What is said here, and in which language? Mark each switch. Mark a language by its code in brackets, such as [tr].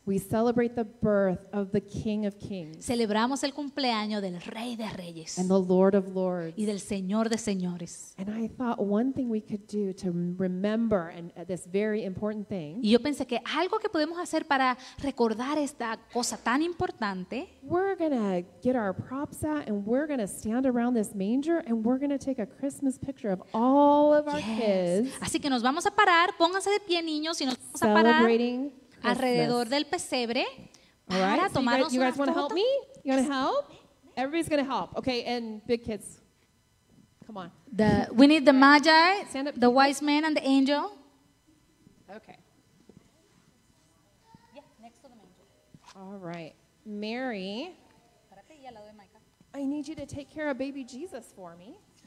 [en] We celebrate the birth of the King of Kings. [es] Celebramos el cumpleaños del Rey de Reyes. [en] And the Lord of Lords. [es] Y del Señor de Señores. [en] And I thought one thing we could do to remember and this very important thing. [es] Y yo pensé que algo que podemos hacer para recordar esta cosa tan importante. [en] We're gonna get our props out and we're gonna stand around this manger and we're gonna take a Christmas picture of all of our kids. [es] Así que nos vamos a parar, pónganse de pie niños y nos vamos a parar alrededor del pesebre para [en] right, so [es] tomarnos [en] you guys [es] una foto. [en] You want to help me? You want to help? Everybody's going to help. Okay, and big kids. Come on. Come on. We need the Magi, stand up. The wise man and the angel. Okay. Yeah, next to the angel. All right. Mary, I need you to take care of baby Jesus for me.